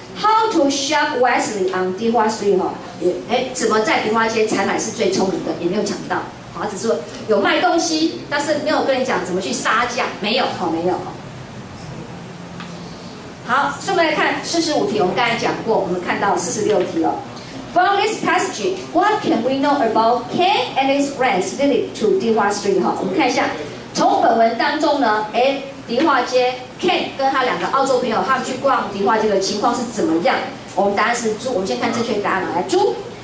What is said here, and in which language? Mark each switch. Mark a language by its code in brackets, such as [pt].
[en] How to shop wisely on 迪化街哈？ [zh] 哎，怎么在迪化街采买是最聪明的？也没有讲到，好，只是说有卖东西，但是没有跟你讲怎么去杀价，没有，好，没有。好，顺便来看四十五题，我们刚才讲过，我们看到四十六题了。 [en] From this passage, what can we know about Ken and his friends visit to 迪化街？ [zh] 哈，我们看一下，从本文当中呢，迪化街 Ken 跟他两个澳洲朋友，他们去逛迪化街的情况是怎么样？我们答案是猪。我们先看正确答案了，来猪。